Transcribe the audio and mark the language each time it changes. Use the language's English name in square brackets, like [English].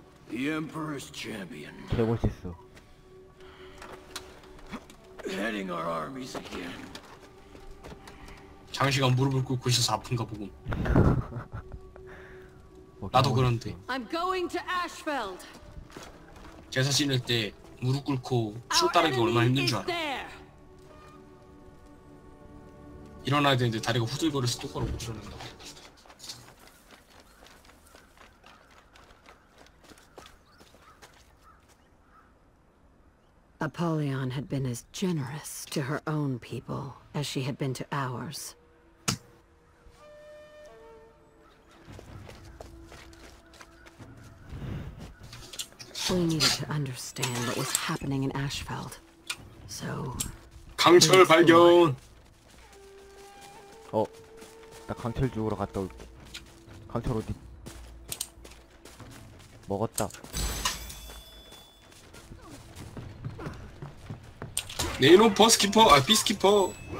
[English] Emperor's champion. [Korean] 개멋있어. [English] Heading our armies again. [Korean] 장시간 무릎을 꿇고 있어서 아픈가 보군. 뭐, 나도 그런데. [English] I'm going to Ashfeld. [Korean] 제사 지낼 때 무릎 꿇고 춤 따는 게 얼마나 힘든 줄 알아. 일어나야 되는데 다리가 후들거려서 똑바로 못 일어난다. [English] 아폴리온 had been as generous to her own people as she had been to ours. We needed to understand what was happening in Ashfeld. So. [Korean] 강철 발견. 어, 나 강철 죽으러 갔다 올게. 강철 어디? 먹었다. 네이노 버스키퍼, 아 비스키퍼.